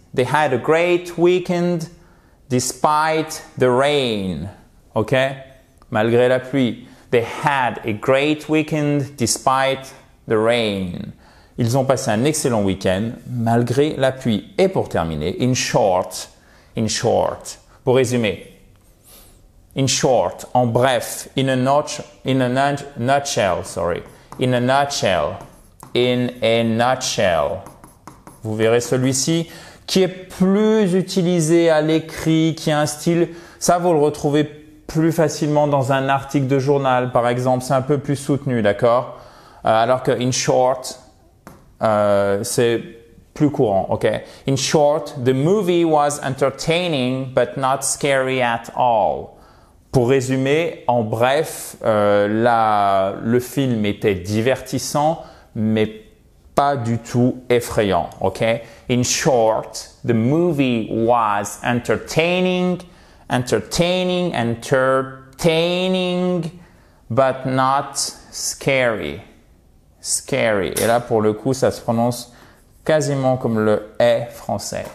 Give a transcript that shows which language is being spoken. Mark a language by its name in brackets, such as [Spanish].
[English] They had a great weekend despite the rain. Ok? [French] Malgré la pluie. [English] They had a great weekend despite the rain. [French] Ils ont passé un excellent week-end malgré la pluie. Et pour terminer, in short. Pour résumer, in short, en bref, in a nutshell. Vous verrez celui-ci. Qui est plus utilisé à l'écrit, qui a un style, ça vous le retrouvez plus facilement dans un article de journal, par exemple, c'est un peu plus soutenu, d'accord? Alors que in short, c'est plus courant, ok? [English] In short, the movie was entertaining but not scary at all. [French] Pour résumer, en bref, le film était divertissant, mais pas du tout effrayant, ok? [English] In short, the movie was entertaining, but not scary. Scary. [French] Et là, pour le coup, ça se prononce quasiment comme le E français.